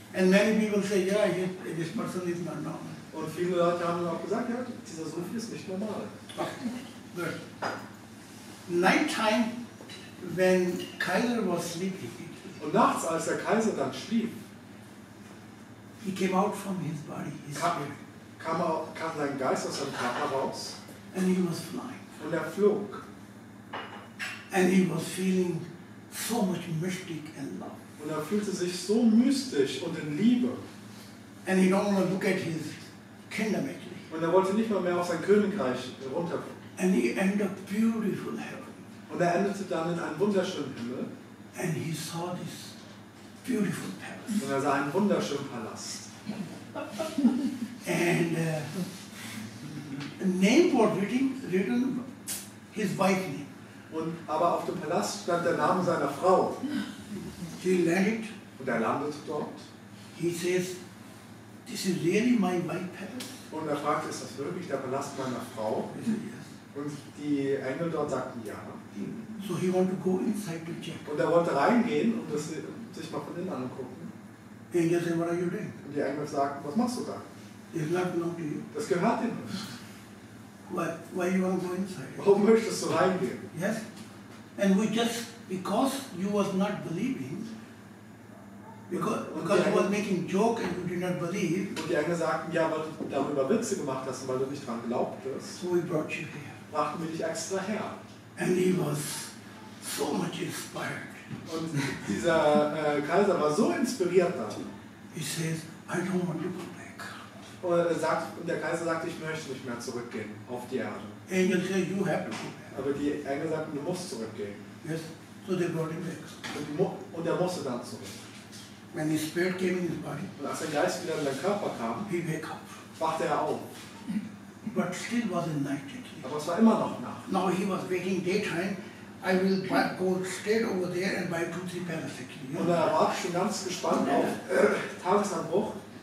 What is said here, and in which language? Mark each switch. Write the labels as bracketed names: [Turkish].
[English] And many people say, yeah, this person is not normal. [German] Und viele Leute haben auch gesagt, ja, dieser Sufi ist nicht normal. [English] Okay. Night time, when Kaiser was sleeping, [German] und nachts, als der Kaiser dann schlief, [English] he came out from his body, his [German] kam sein Geist aus seinem Körper raus. [English] And he was flying. [German] Und er flog. [English] And he was feeling so much mystic and love. [German] Und er fühlte sich so mystisch und in Liebe. [English] And he don't want to look at his kingdom actually. [German] Und er wollte nicht mehr auf sein Königreich runterkommen. [English] And he ended up beautiful heaven. [German] Und er endete dann in einem wunderschönen Himmel. [English] And he saw this beautiful palace. [German] Und er sah einen wunderschönen Palast. [English] And name was written his wife name. [German] Und aber auf dem Palast stand der Name seiner Frau. [English] He landed. [German] Und er landete dort. [English] He says, this is really my wife palace. [German] Und er fragte, ist das wirklich der Palast meiner Frau? [English] Yes. [German] Und die Engel dort sagten ja. [English] So he wanted to go inside to check. [German] Und er wollte reingehen und das, sich mal von innen angucken. [English] And they said, what are you doing? [German] Und die Engel sagten, was machst du da? [English] It's not belong to you. [German] Das gehört dir nicht. [English] Why you want to go inside? [German] Warum möchtest du reingehen? [English] Yes. And we just, because you was not believing, because you were making joke and you did not believe. [German] Und die Engel sagten, ja, weil du darüber Witze gemacht hast, weil du nicht dran glaubtest. [English] So we brought you here. [German] Brachten wir dich extra her. [English] And he was so much inspired. [German] Und dieser Kaiser war so inspiriert dann. [English] He says, I don't want to go back. [German] Und der Kaiser sagte, ich möchte nicht mehr zurückgehen auf die Erde. [English] Angels say, you have to go back. [German] Aber die Engel sagten, du musst zurückgehen. [English] Yes, so they brought him back. [German] Und er musste dann zurück. [English] When his spirit came in his body, [German] und als sein Geist wieder in den Körper kam, [English] he wake up. [German] Wachte er auf. [English] But still was in night at least. [German] Aber es war immer noch Nacht. [English] Now he was waiting daytime. I will go straight over there and buy 2-3 pairs of security. [German] Und er war schon ganz gespannt auf Tagesanbruch.